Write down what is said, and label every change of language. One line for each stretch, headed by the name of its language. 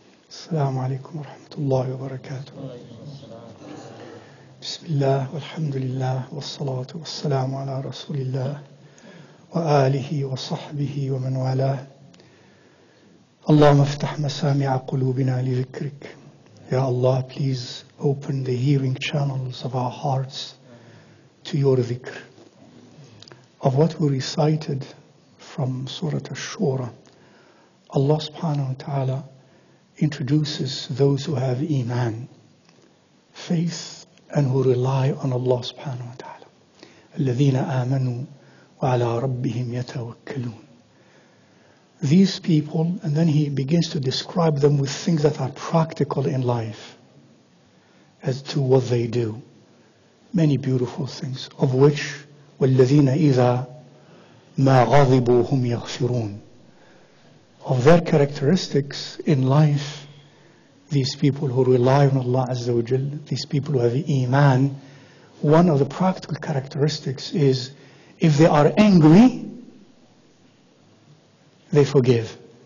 Arabic: السلام عليكم ورحمة الله وبركاته. بسم الله والحمد لله والصلاة والسلام على رسول الله وآله وصحبه ومن والاه. اللهم افتح مسامع قلوبنا لذكرك.
English: Ya Allah, please open the hearing channels of our hearts to your dhikr. Of what we recited from Surah Ash-Shura, Allah subhanahu wa ta'ala introduces those who have iman, faith, and who rely on Allah subhanahu wa ta'ala.
Arabic: الَّذِينَ آمَنُوا وَعَلَىٰ رَبِّهِمْ يَتَوَكَّلُونَ.
English: These people, and then he begins to describe them with things that are practical in life as to what they do. Many beautiful things, of which
Arabic: وَالَّذِينَ إِذَا مَا غَضِبُوا هُمْ يَغْفِرُونَ.
English: Of their characteristics in life, these people who rely on Allah Azza wa Jal, these people who have iman, one of the practical characteristics is if they are angry, they forgive.